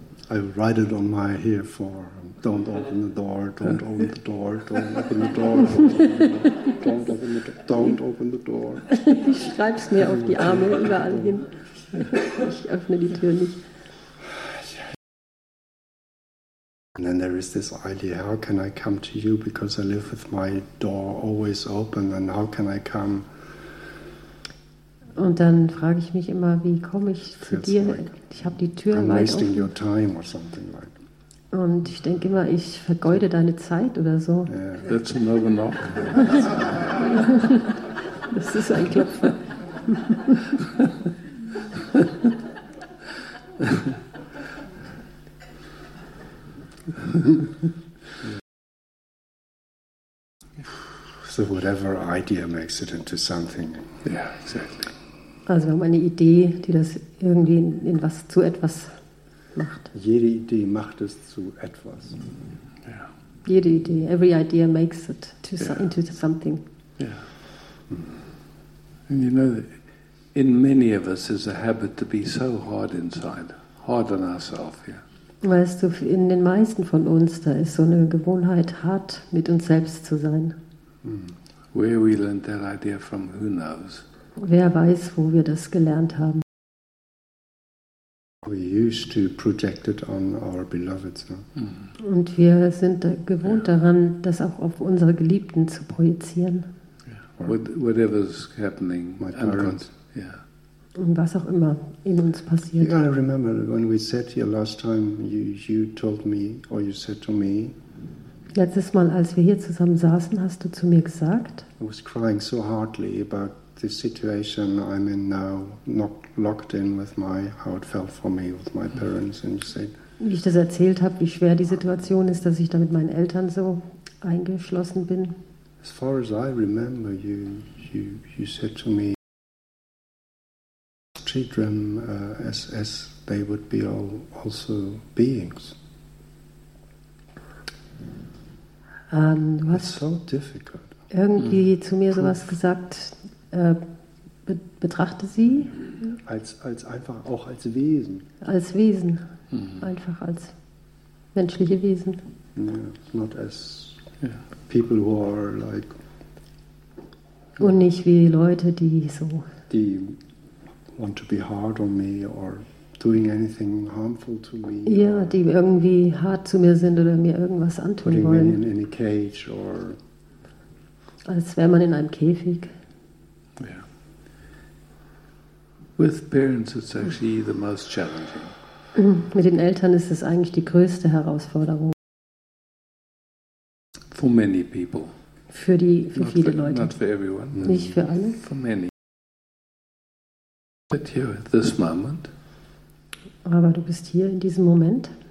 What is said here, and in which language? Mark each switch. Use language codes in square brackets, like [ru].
[en] I write it on my here for don't open the door, don't open the door, don't open the door, don't open the door, don't open the door. [de] Ich schreib's mir auf die Arme überall hin. Ich öffne die Tür nicht. [en] And then there is this idea, how can I come to you because I live with my door always open and how can I come? [de] Und dann frage ich mich immer, wie komme ich zu dir? Ich habe die Tür weit offen. [en] I'm wasting your time or something like. [de] Und ich denke immer, ich vergeude deine Zeit oder so. [en] Yeah. That's another knock. [de] Das ist ein Klopfen. [en] So whatever idea makes it into something. Yeah, exactly. [de] Also wir haben eine Idee, die das irgendwie in was zu etwas macht. Jede Idee macht es zu etwas. [en] Yeah. [de] Jede Idee, [en] every idea makes it to into something. Yeah. And you know, in many of us is a habit to be so hard inside, hard on ourselves. Yeah. [de] Weißt du, in den meisten von uns, da ist so eine Gewohnheit, hart mit uns selbst zu sein. [en] Where we learned that idea from, who knows? [de] Wer weiß, wo wir das gelernt haben. [en] We used to project it on our beloveds. No? [de] Und wir sind gewohnt daran, das auch auf unsere Geliebten zu projizieren. [en] Yeah. Whatever's happening, my parents. [de] Und was auch immer in uns passiert. [en] You gotta remember when we sat here last time, you told me or you said to me. [de] Letztes Mal, als wir hier zusammen saßen, hast du zu mir gesagt. [en] I was crying so heartily about the situation I'm in now, not locked in with my how it felt for me with my parents, and you said. [de] Wie ich das erzählt habe, wie schwer die Situation ist, dass ich da mit meinen Eltern so eingeschlossen bin. [en] As far as I remember, you said to me. Children as they would be all also beings. It's so difficult. [de] Irgendwie zu mir sowas gesagt, betrachte sie. Als einfach auch als Wesen. Als Wesen. Mm-hmm. Einfach als menschliche Wesen. [en] Yeah, not as people who are like. [de] Und nicht wie Leute, die so. [en] Die want to be hard on me or doing anything harmful to me. [de] Ja, die irgendwie hart zu mir sind oder mir irgendwas antun [en] putting [de] wollen. [en] Putting me in a cage or. [de] Als wäre man in einem Käfig. [en] Yeah. With parents, it's actually the most challenging. [de] Mit den Eltern ist es eigentlich die größte Herausforderung. [en] For many people. [de] Für [en] not [de] viele Leute. [en] Not for everyone. [de] Nicht für alle. [en] For many. But here at this moment. [de] Aber du bist hier in diesem Moment.